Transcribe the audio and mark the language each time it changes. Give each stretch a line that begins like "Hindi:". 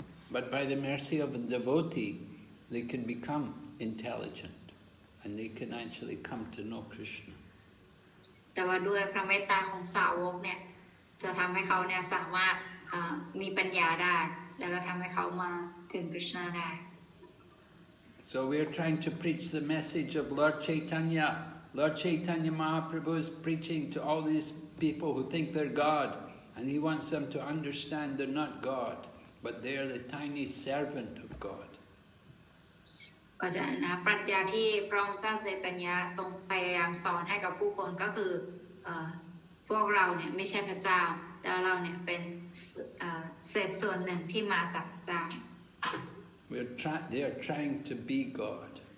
English: But by the mercy of a devotee, they can become. Intelligent, and they can actually come to know Krishna.
Thai: แต่ว่าด้วยพระเมตตาของสาวกเนี่ยจะทำให้เขาเนี่ยสามารถมีปัญญาได้แล้วก็ทำให้เขามาถึงคริสต์ได้
English: So we are trying to preach the message of Lord Chaitanya. Lord Chaitanya Mahaprabhu is preaching to all these people who think they're God, and he wants them to understand they're not God, but they are the tiny servant of God.
Thai: ก็จะนะปรัชญาที่พระองค์เจ้าเจตัญญาทรงพยายามสอนให้กับผู้คนก็คือพวกเราเนี่ยไม่ใช่พระเจ้า แล้วเราเนี่ยเป็นเศษส่วนหนึ่งที่มาจากพระเจ้า
English: they are trying to be God